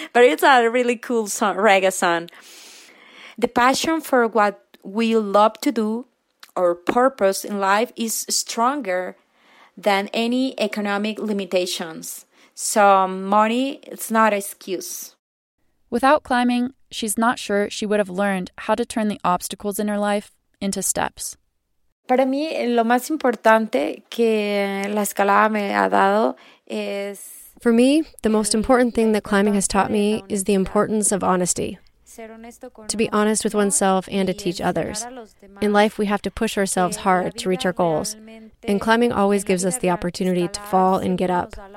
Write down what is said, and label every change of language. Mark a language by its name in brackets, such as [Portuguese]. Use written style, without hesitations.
[English] But it's a really cool song, reggae song. The passion for what we love to do, our purpose in life, is stronger than any economic limitations. So money, it's not an excuse. Without climbing, she's not sure she would have learned how to turn the obstacles in her life into steps. [Spanish] Para mí, lo más importante que la escalada me ha dado es... [English] For me, the most important thing that climbing has taught me is the importance of honesty. To be honest with oneself and to teach others. In life, we have to push ourselves hard to reach our goals. And climbing always gives us the opportunity to fall and get up.